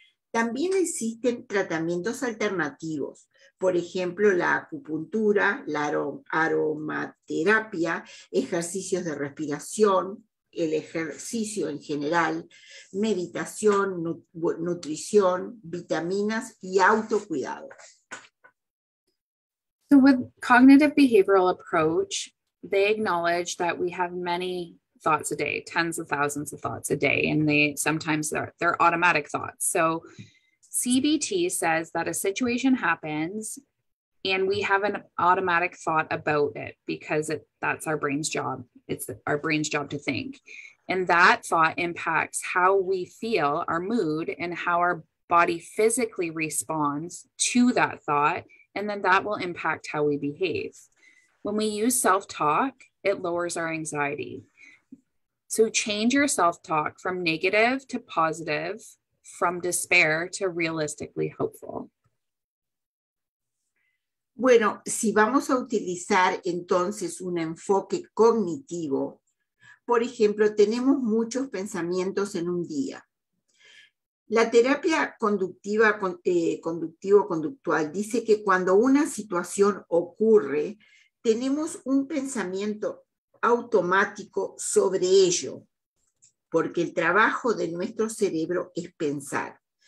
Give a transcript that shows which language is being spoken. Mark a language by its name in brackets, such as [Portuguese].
[Spanish] También existen tratamientos alternativos, por ejemplo, la acupuntura, la aromaterapia, ejercicios de respiración, el ejercicio en general, meditación, nutrición, vitaminas y autocuidado. [English] So with cognitive behavioral approach, they acknowledge that we have many thoughts a day, tens of thousands of thoughts a day, and they're automatic thoughts. So CBT says that a situation happens and we have an automatic thought about it because that's our brain's job. It's our brain's job to think. And that thought impacts how we feel, our mood, and how our body physically responds to that thought. And then that will impact how we behave. When we use self-talk, it lowers our anxiety. So change your self-talk from negative to positive, from despair to realistically hopeful. [Spanish] Bueno, si vamos a utilizar entonces un enfoque cognitivo, por ejemplo, tenemos muchos pensamientos en un día. La terapia conductivo-conductual dice que cuando una situación ocurre, tenemos un pensamiento automático sobre ello, porque el trabajo de nuestro cerebro es pensar.